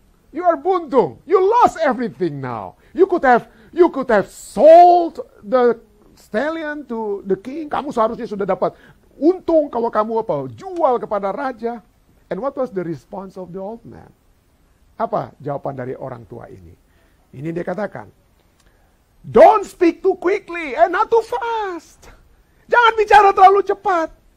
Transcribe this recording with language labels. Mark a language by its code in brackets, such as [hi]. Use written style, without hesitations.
[en] You are buntung. You lost everything now. You could have sold the stallion to the king. [id] Kamu seharusnya sudah dapat untung kalau kamu apa? Jual kepada raja." [en] And what was the response of the old man? [id] Apa jawaban dari orang tua ini? Ini dia katakan, [en] don't speak too quickly and not too fast. [id] Jangan bicara terlalu cepat.